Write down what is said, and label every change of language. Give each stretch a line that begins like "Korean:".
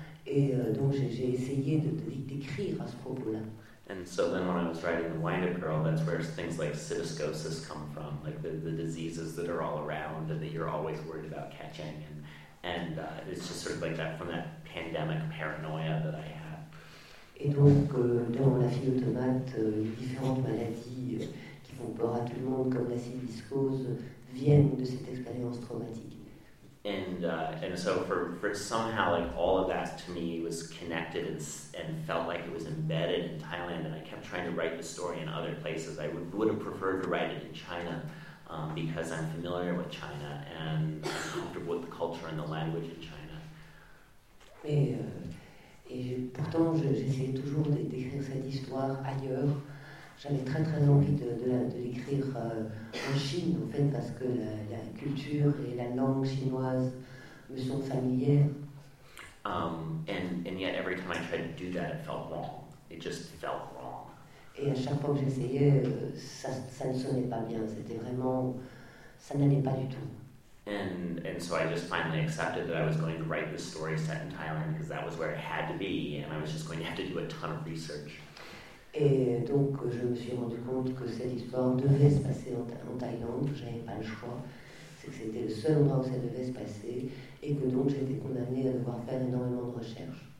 French: Et donc j'ai essayé d'écrire à ce propos-là.
English: And so then when I was writing The Wind-Up Girl, that's where things like cytiscosis come from, like the diseases that are all around and that you're always worried about catching. And it's just sort of like that, from that pandemic paranoia that I had.
French: Et donc, dans La Fille Automate, les différentes maladies qui font peur à tout le monde, comme la cytiscose, viennent de cette expérience traumatique.
English: And so for somehow like all of that to me was connected and felt like it was embedded in Thailand, and I kept trying to write the story in other places. I would have preferred to write it in China because I'm familiar with China and comfortable with the culture and the language in China.
French: Et pourtant j'essayais toujours d'écrire cette histoire ailleurs. J'avais très très envie de l'écrire en Chine, en fait, parce que la culture et la langue chinoise me sont familières.
English: And yet every time I tried to do that, it felt wrong. It just felt wrong.
French: Et à chaque fois que j'essayais, ça ne sonnait pas bien. C'était vraiment, ça n'allait pas du tout.
English: And so I just finally accepted that I was going to write this story set in Thailand because that was where it had to be, and I was just going to have to do a ton of research.
French: Et donc je me suis rendu compte que cette histoire devait se passer en Thaïlande, que j'avais pas le choix, c'est que c'était le seul endroit où ça devait se passer, et que donc j'étais condamnée à devoir faire énormément de recherches.